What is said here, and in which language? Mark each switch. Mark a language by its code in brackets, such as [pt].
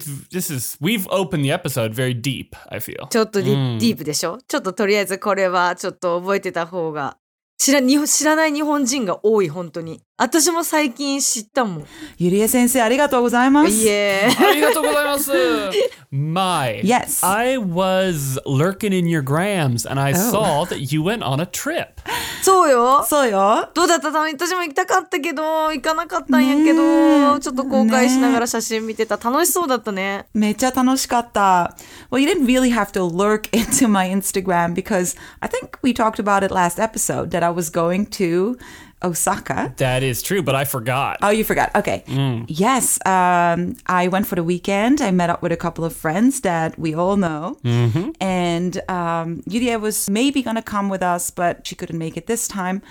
[en] This is we've opened the episode very deep. I feel. [ja] ちょっと、deep でしょ。ちょっととりあえずこれはちょっと覚えてた方が。知らない日本人が多い、本当に。私も最近知ったもん。ゆりえ先生、ありがとうございます。いえ。ありがとうございます。 [en] My. Yes. I was lurking in your grams and I saw that you went on a trip. [ja] そうよ。そうよ。どうだったの？私も行きたかったけど、行かなかったんやけど、ちょっと後悔しながら写真見てた。楽しそうだったね。めっちゃ楽しかった。 [en] Well, you didn't really have to lurk into my Instagram because I think we talked about it last episode that I was going to... Osaka. That is true, but I forgot. Oh, you forgot. Okay. Yes, I went for the weekend. I met up with a couple of friends that we all know. And Yurie was maybe going to come with us, but she couldn't make it this time.